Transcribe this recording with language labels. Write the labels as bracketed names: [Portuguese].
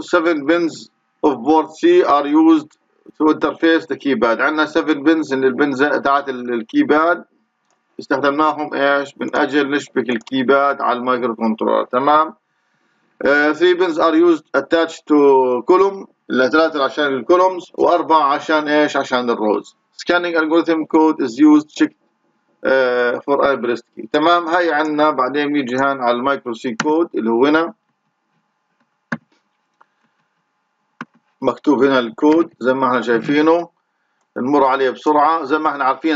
[English] 7 pins of board C are used to interface the keypad. [Arabic] عندنا 7 pins اللي البنز تاعت الكيباد استخدمناهم ايش؟ من اجل نشبك الكيباد على المايكرو كنترولر. تمام؟ [English] 3 pins are used attached to column، [Arabic] ثلاثة عشان الكولومز، وأربعة عشان ايش؟ عشان الروز. [English] Scanning algorithm code is used to check for I pressed key. [Arabic] تمام؟ هاي عنا بعدين يجي هان على المايكرو سي كود اللي هو هنا مكتوب هنا الكود زي ما احنا شايفينه، نمر عليه بسرعة زي ما احنا عارفين.